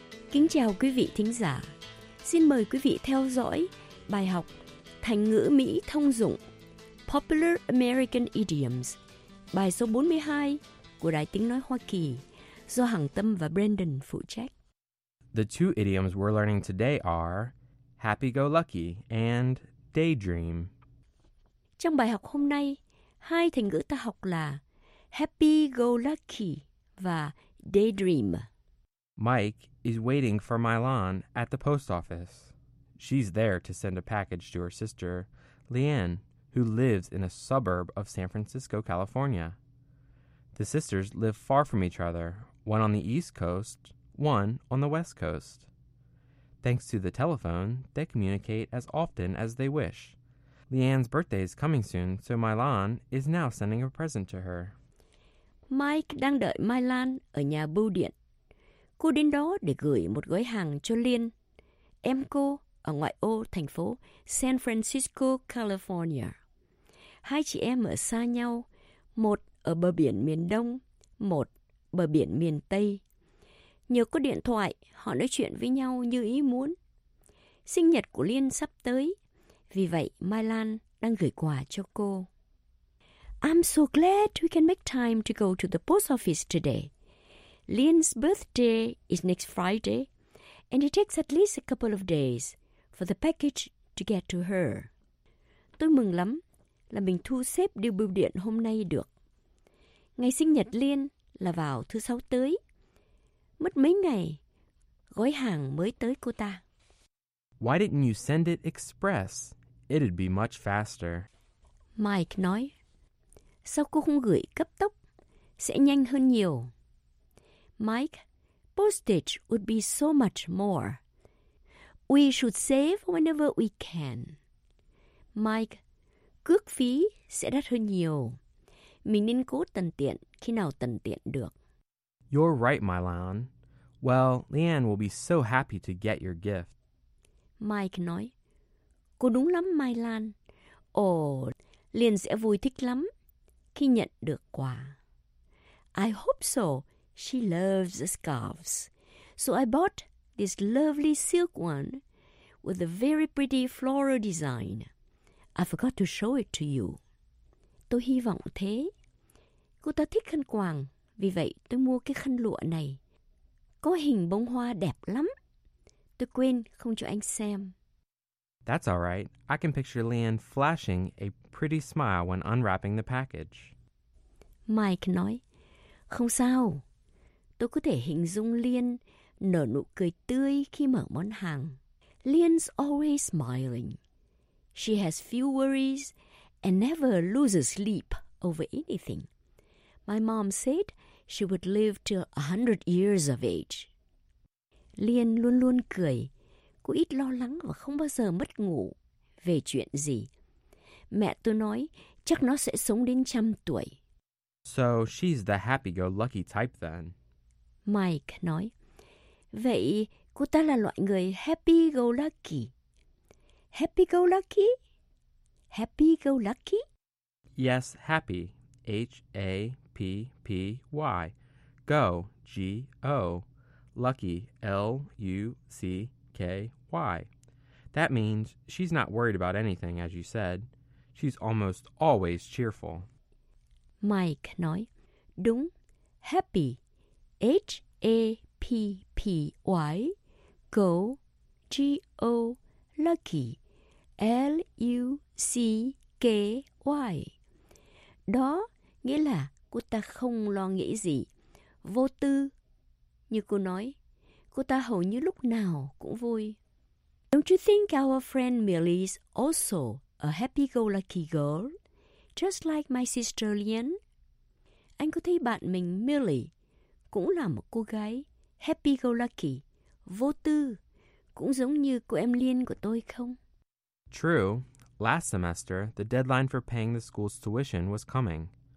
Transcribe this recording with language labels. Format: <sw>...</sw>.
<vi>Kính chào quý vị thính giả. Xin mời quý vị theo dõi bài học Thành ngữ Mỹ thông dụng Popular American Idioms, bài số 42 của Đài Tiếng Nói Hoa Kỳ, do Hằng Tâm và Brandon phụ trách.</vi> <en>The two idioms we're learning today are happy-go-lucky and daydream.</en> <vi>Trong bài học hôm nay, hai thành ngữ ta học là happy-go-lucky và daydream.</vi> <en>Mike is waiting for Mylon at the post office. She's there to send a package to her sister, Leanne, who lives in a suburb of San Francisco, California. The sisters live far from each other, one on the East Coast, one on the West Coast. Thanks to the telephone, they communicate as often as they wish. Leanne's birthday is coming soon, so Mylon is now sending a present to her.</en> <vi>Mike đang đợi Mylon ở nhà bưu điện. Cô đến đó để gửi một gói hàng cho Liên, em cô ở ngoại ô thành phố San Francisco, California. Hai chị em ở xa nhau, một ở bờ biển miền Đông, một bờ biển miền Tây. Nhờ có điện thoại, họ nói chuyện với nhau như ý muốn. Sinh nhật của Liên sắp tới, vì vậy Mylon đang gửi quà cho cô.</vi> <en>I'm so glad we can make time to go to the post office today. Liên's birthday is next Friday, and it takes at least a couple of days for the package to get to her.</en> <vi>Tôi mừng lắm là mình thu xếp điều bưu điện hôm nay được. Ngày sinh nhật Liên là vào thứ sáu tới. Mất mấy ngày, gói hàng mới tới cô ta.</vi> <en>Why didn't you send it express? It'd be much faster.</en> <vi>Mike nói, sao cô không gửi cấp tốc? Sẽ nhanh hơn nhiều.</vi> <en>Mike, postage would be so much more. We should save whenever we can. Mike,</en> <vi>cước phí sẽ đắt hơn nhiều. Mình nên cố tận tiện khi nào tận tiện được.</vi> <en>You're right, Mylon. Well, Leanne will be so happy to get your gift.</en> <vi>Mike nói, cô đúng lắm, Mylon. Ồ, Leanne sẽ vui thích lắm khi nhận được quà.</vi> <en>I hope so. She loves scarves. So I bought this lovely silk one with a very pretty floral design. I forgot to show it to you.</en> <vi>Tôi hy vọng thế. Cô ta thích khăn quàng, vì vậy tôi mua cái khăn lụa này. Có hình bông hoa đẹp lắm. Tôi quên không cho anh xem.</vi> <en>That's all right. I can picture Leanne flashing a pretty smile when unwrapping the package.</en> <vi>Mike nói, không sao. Tôi có thể hình dung Liên nở nụ cười tươi khi mở món hàng.</vi> <en>Liên's always smiling. She has few worries and never loses sleep over anything. My mom said she would live to 100 years of age.</en> <vi>Liên luôn luôn cười. Cô ít lo lắng và không bao giờ mất ngủ về chuyện gì. Mẹ tôi nói chắc nó sẽ sống đến 100 tuổi.</vi> <en>So she's the happy-go-lucky type then.</en> <vi>Mike nói, vậy cô ta là loại người happy go lucky.</vi> <en>Happy go lucky? Happy go lucky? Yes, happy. H-A-P-P-Y. Go, G-O. Lucky, L-U-C-K-Y. That means she's not worried about anything, as you said. She's almost always cheerful.</en> <vi>Mike nói, đúng, happy. H-A-P-P-Y, go, G-O, lucky, L-U-C-K-Y. Đó nghĩa là cô ta không lo nghĩ gì, vô tư. Như cô nói, cô ta hầu như lúc nào cũng vui.</vi> <en>Don't you think our friend Millie is also a happy-go-lucky girl, just like my sister Lian?</en> <vi>Anh có thấy bạn mình Millie cũng là một cô gái happy-go-lucky, vô tư, cũng giống như cô em Liên của tôi không?</vi> <en>True. Last semester, the deadline for paying the school's tuition was coming.</en>